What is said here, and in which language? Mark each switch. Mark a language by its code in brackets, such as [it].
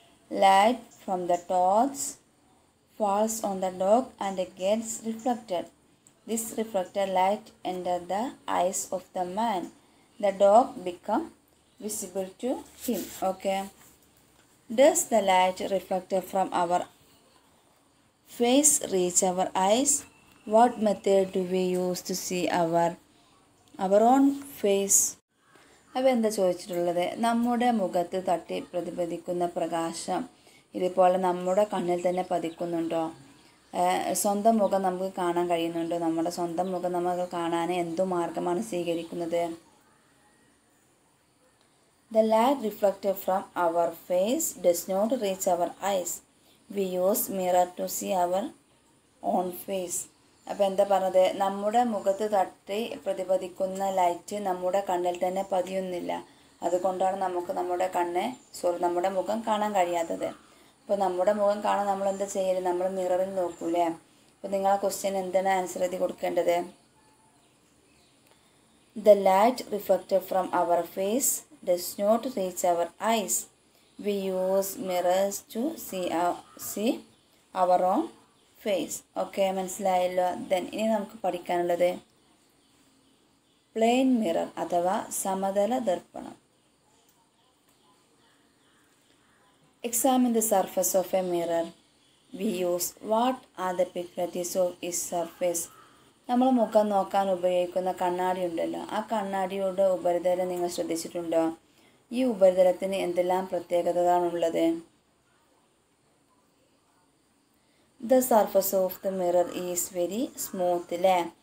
[en] Light from the torch falls on the dog and gets reflected. This reflected light enter the eyes of the man. The dog become visible to him. Okay. Does the light reflected from our face reach our eyes? What method do we use to see our own face? [ml] അവ എന്താ ചോദിച്ചിട്ടുള്ളത്? നമ്മുടെ മുഖത്ത് തട്ടി പ്രതിഫലിക്കുന്ന പ്രകാശം ഇതുപോലെ നമ്മുടെ കണ്ണിൽ തന്നെ പതിക്കുന്നുണ്ടോ? സ്വന്തം മുഖം നമുക്ക് കാണാൻ കഴിയുന്നുണ്ടോ? നമ്മുടെ സ്വന്തം മുഖം നമുക്ക് കാണാൻ എന്തു മാർഗമാണ് സ്വീകരിക്കുന്നത്? [en] The light reflected from our face does not reach our eyes. We use mirror to see our own face. [ml] അപ്പോൾ എന്താ പറഞ്ഞത്? നമ്മുടെ മുഖത്ത് തട്ടി പ്രതിഫലിക്കുന്ന ലൈറ്റ് നമ്മുടെ കണ്ണിൽ തന്നെ പതിയുന്നില്ല. അതുകൊണ്ടാണ് നമുക്ക് നമ്മുടെ കണ്ണെ സോറി നമ്മുടെ മുഖം കാണാൻ കഴിയാത്തത്. അപ്പോൾ നമ്മുടെ മുഖം കാണാൻ നമ്മൾ എന്താ ചെയ്യല്? നമ്മൾ മിററിൽ നോക്കൂലേ. അപ്പോൾ നിങ്ങളെ ക്വസ്റ്റ്യൻ എന്താണ് ആൻസർ എഴുതി കൊടുക്കേണ്ടത്? [en] The light reflected from our face does not reach our eyes. We use mirrors to see our own face. [ml] Okay, മനസ്സിലായല്ലോ. Then ഇനി നമുക്ക് പഠിക്കാനുള്ളത് പ്ലെയിൻ മിറർ അഥവാ സമതല ദർപ്പണം. [en] Examine the surface of a mirror. We use what are the properties of its surface. [ml] നമ്മൾ മുഖം നോക്കാൻ ഉപയോഗിക്കുന്ന കണ്ണാടി ഉണ്ടല്ലോ, ആ കണ്ണാടിയുടെ ഉപരിതലം നിങ്ങൾ ശ്രദ്ധിച്ചിട്ടുണ്ടോ? ഈ ഉപരിതലത്തിന് എന്തെല്ലാം പ്രത്യേകതകളാണുള്ളത്? [en] The surface of the mirror is very smooth, അല്ലേ?